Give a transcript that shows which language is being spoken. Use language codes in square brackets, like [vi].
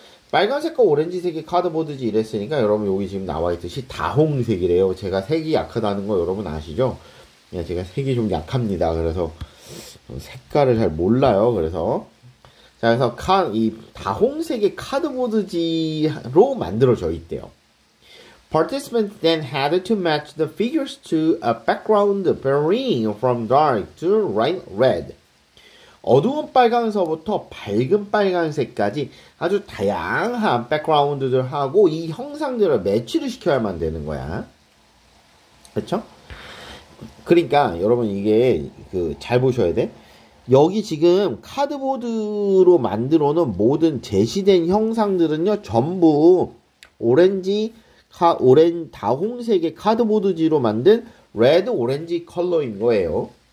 [ko] 빨간색과 오렌지색이 카드보드지 이랬으니까 여러분 여기 지금 나와있듯이 다홍색이래요. 제가 색이 약하다는 거 여러분 아시죠? 제가 색이 좀 약합니다. 그래서 색깔을 잘 몰라요. 그래서 자 그래서 이 다홍색의 카드보드지로 만들어져 있대요. [en] Participants then had to match the figures to a background varying from dark to light red. [ko] 어두운 빨간서부터 밝은 빨간색까지 아주 다양한 백그라운드들하고 이 형상들을 매치를 시켜야만 되는 거야. 그렇죠? 그러니까 여러분 이게 그 잘 보셔야 돼. 여기 지금 카드보드로 만들어 놓은 모든 제시된 형상들은요 전부 오렌지 다홍색의 카드보드지로 만든 레드 오렌지 컬러인 거예요.